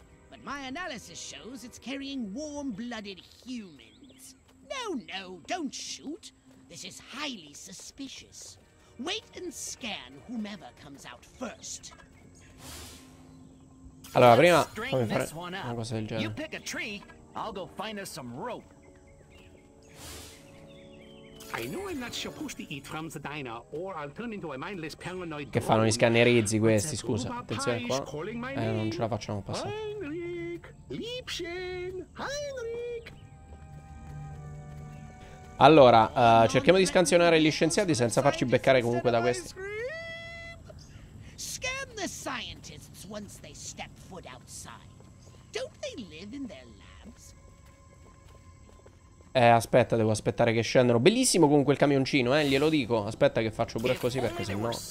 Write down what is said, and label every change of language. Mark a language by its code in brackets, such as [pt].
[en] But my analysis shows it's carrying warm-blooded humans. No, no, don't shoot. This is highly suspicious. Wait and scan whomever comes out first. [it] Allora, prima fammi fare una cosa del genere. [en] You pick a tree, I'll go find us some rope. I know I'm not supposed to eat from the diner, or I'll turn into a mindless paranoid. [it] Che fanno gli scannerizzi questi, scusa. Attenzione qua. Non ce la facciamo passare. [de] Heinrich! Liebchen! Heinrich! [it] Allora, cerchiamo di scansionare gli scienziati senza farci beccare comunque da questi. [en] Scan the scientists once they step foot outside. Don't they live in their labs? [it] Aspetta, devo aspettare che scendano. Bellissimo comunque il camioncino, glielo dico. Aspetta che faccio pure così perché sennò.